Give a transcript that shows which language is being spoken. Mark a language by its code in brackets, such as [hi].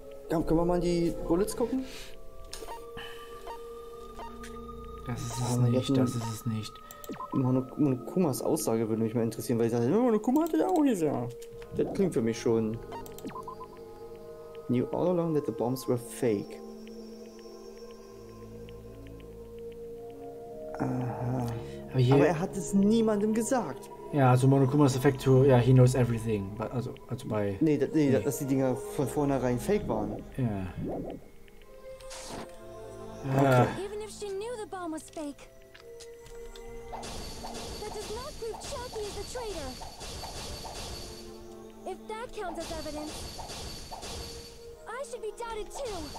[de] Ja, können wir mal in die Bullets gucken? Das ist es nicht, das ist es nicht. Monokumas Aussage würde mich mal interessieren, weil ich dachte, Monokuma hatte ja auch gesagt. Das klingt für mich schon. [en] Knew all along that the bombs were fake. Aha. [de] Aber, hier, aber er hat es niemandem gesagt. Ja, also Monokumas Effekt, ja, [en] yeah, he knows everything. But, [de] also bei. Nee, dass die Dinger von vornherein fake waren. Ja. Yeah. Okay. [en] Even if she knew the bomb was fake, that does not prove Chucky is the traitor. If that counts as evidence, I should be doubted too.